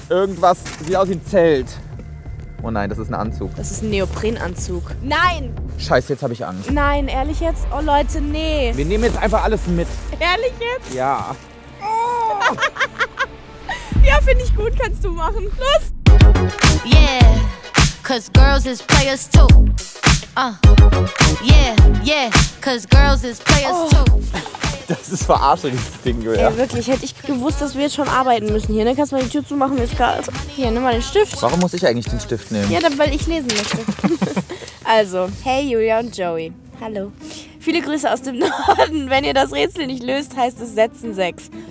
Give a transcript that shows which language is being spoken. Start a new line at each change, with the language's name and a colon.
German: Irgendwas, sieht aus wie ein Zelt. Oh nein, das ist ein Anzug. Das ist ein Neoprenanzug. Nein! Scheiße, jetzt habe ich Angst. Nein, ehrlich jetzt? Oh Leute, nee. Wir nehmen jetzt einfach alles mit. Ehrlich jetzt? Ja. Oh. Ja, finde ich gut, kannst du machen. Los!
English: Yeah, cause girls is players too. Yeah, yeah, cause girls is players too.
German: Das ist verarscht, dieses Ding, Julia. Ey, wirklich, hätte ich gewusst, dass wir jetzt schon arbeiten müssen hier. Ne? Kannst du mal die Tür zumachen, mir ist kalt. Hier, nimm mal den Stift. Warum muss ich eigentlich den Stift nehmen? Ja, weil ich lesen möchte. Also, hey Julia und Joey. Hallo. Viele Grüße aus dem Norden. Wenn ihr das Rätsel nicht löst, heißt es Sätzen 6.